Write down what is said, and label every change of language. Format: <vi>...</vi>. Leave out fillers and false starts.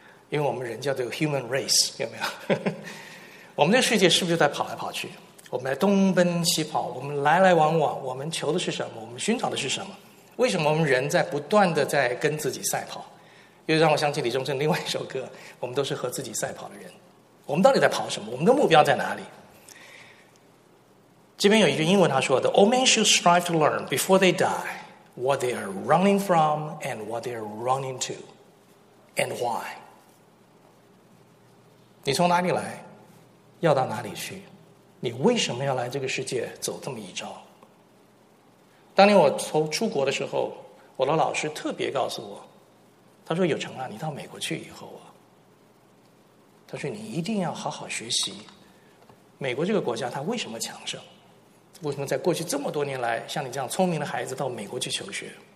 <zh>因为我们人叫做 human race， 有没有？我们这世界是不是在跑来跑去？我们来东奔西跑，我们来来往往，我们求的是什么？我们寻找的是什么？为什么我们人在不断的在跟自己赛跑？又让我想起李宗盛另外一首歌，我们都是和自己赛跑的人。我们到底在跑什么？我们的目标在哪里？这边有一句英文，他说 ：</zh> <en>“The old men should strive to learn before they die what they are running from and what they are running to, and why。”</en> <zh>你从哪里来？要到哪里去？你为什么要来这个世界走这么一遭？当年我从出国的时候，我的老师特别告诉我，他说：“有成啊，你到美国去以后啊。” 他说你一定要好好学习美国这个国家，它为什么强盛，为什么在过去这么多年来像你这样聪明的孩子到美国去求学。</zh>